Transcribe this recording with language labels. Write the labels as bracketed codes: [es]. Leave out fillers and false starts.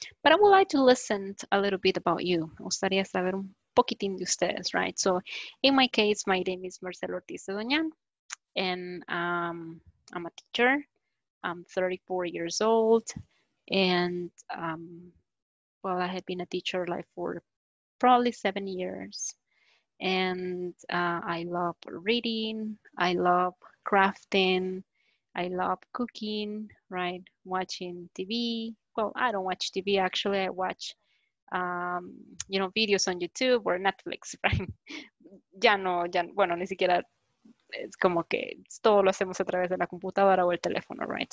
[en] But I would like to listen a little bit about you. [es] Me gustaría saber un poquitín de ustedes, right? [en] So, in my case, my name is Marcelo Ortiz Doñan, and I'm a teacher. I'm 34 years old, and well, I have been a teacher like for probably 7 years. And I love reading, I love crafting, I love cooking, right? Watching TV. Well, I don't watch TV actually, I watch, you know, videos on YouTube or Netflix, right? [es] ya no, bueno, ni siquiera, es como que todo lo hacemos a través de la computadora o el teléfono, right?